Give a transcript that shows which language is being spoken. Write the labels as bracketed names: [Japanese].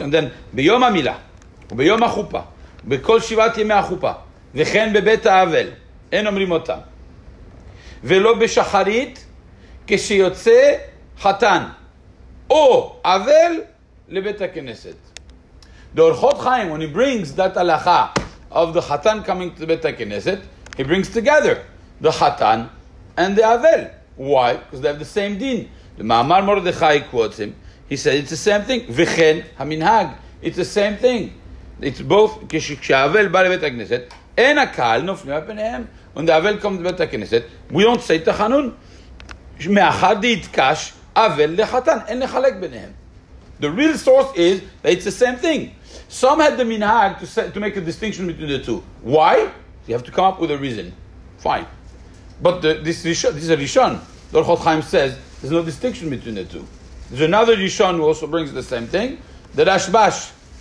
[English] And then, [Hebrew] ביום המילה, ביום החופה, בכל שבעת ימי החופה, וכן בבית האבל, אין אומרים אותם. ולא בשחרית, כשיוצא חתן, או אבל לבית הכנסת. [English] The Orchot Chaim, when he brings that הלכה of the חתן coming to בית הכנסת, he brings together the חתן and the אבל. Why? Because they have the same din. The Ma'amar Mordechai quotes him. He said, it's the same thing. [Hebrew] V'chen ha-minhag. [English] It's the same thing. It's both. [Hebrew] Kshavel ba le-bet ha-knesset, en ha-kal nofnim ha-penehem. [English] When the Avel comes to the Beit HaKnesset, we don't say tachanun. [Hebrew] מאחר דיתקש אבל לחתן, אין לחלק ביניהם. [English] The real source is that it's the same thing. Some had the minhag to make a distinction between the two. Why? You have to come up with a reason. Fine. But this is a Rishon. Dor Chaim says there's no distinction between the two. There's another Rishon who also brings the same thing. The Rashbash.